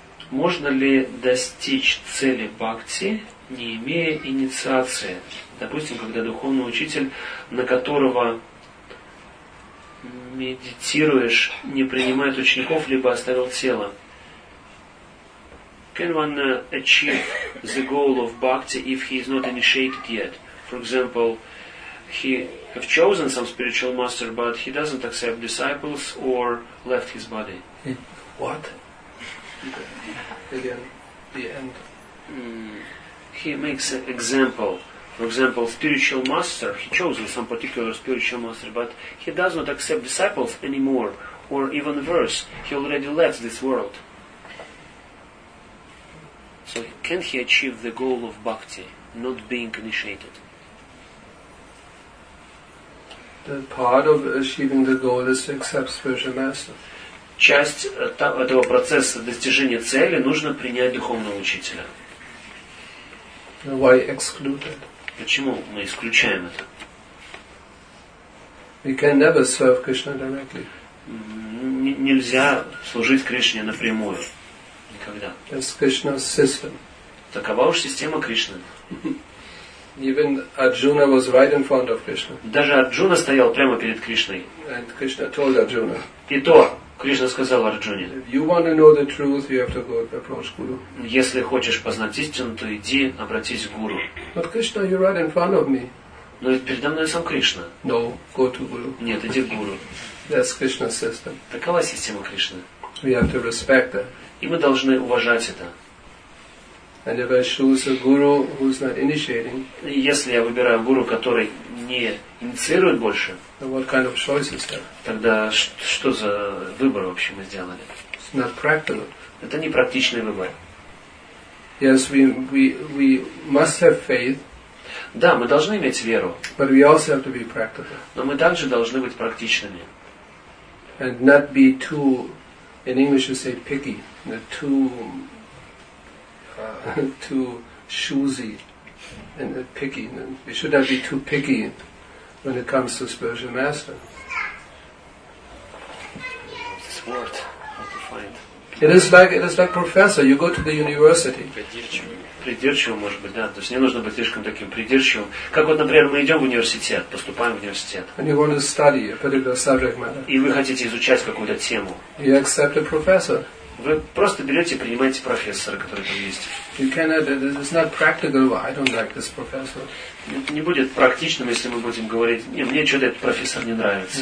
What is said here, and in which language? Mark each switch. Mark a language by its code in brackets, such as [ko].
[ru] Можно ли достичь цели бхакти, не имея инициации? Допустим, когда духовный учитель, на которого медитируешь, не принимает учеников, либо оставил тело. [en] Can one achieve the goal of bhakti if he is not initiated yet? For example, he have chosen some spiritual master, but he doesn't accept disciples or left his body. What? Again, the end. He makes an example. For example, spiritual master, he chose some particular spiritual master, but he does not accept disciples anymore. Or even worse, he already left this world. So can he achieve the goal of bhakti, not being initiated? The part of achieving the goal is to accept spiritual master. [ru] Часть этого процесса достижения цели нужно принять духовного учителя. [en] Why excluded? [ru] Почему мы исключаем это? [en] We can never serve Krishna directly. [ru] Нельзя служить Кришне напрямую. Никогда. [en] That's Krishna's system. [ru] Такова уж система Кришны. [en] Even Arjuna was right in front of Krishna. [ru] Даже Арджуна стоял прямо перед Кришной. [en] And Krishna told Arjuna. [ru] И то. Кришна сказал Арджуне, [en] if you want to know the truth, you have to go approach Guru. [ru] Если хочешь познать истину, то иди, обратись к Гуру. [en] But Krishna, you're right in front of me. [ru] Но ведь передо мной сам Кришна. [en] No, go to Guru. [ru] Нет, иди к Гуру. [en] That's Krishna's system. [ru] Такова система Кришны. [en] We have to respect that. [ru] И мы должны уважать это. [en] And if I choose a Guru who's not initiating, [ru] и если я выбираю Гуру, который не инициирует больше, [en] what kind of choice is that? [ru] Тогда что за выбор вообще мы сделали? [en] It's not practical. [ru] Это не практичный выбор. [en] Yes, we must have faith. [ru] Да, мы должны иметь веру. [en] But we also have to be practical. [ru] Но мы также должны быть практичными. [en] And not be too, in English you say picky, too choosy and picky. We should not be too picky when it comes to spiritual master. This word, how to find. It is like professor. You go to the university. [ru] Придирчивым, может быть, да. То есть не нужно быть слишком таким придирчивым. Как вот, например, мы идем в университет, поступаем в университет. [en] And you want to study a particular subject matter. [ru] И вы хотите изучать какую-то тему. [en] You accept a professor. [ru] Вы просто берете, принимаете профессора, который там есть. [en] You cannot. It's not practical. I don't like this professor. [ru] Не будет практичным, если мы будем говорить: не, мне что-то этот профессор не нравится.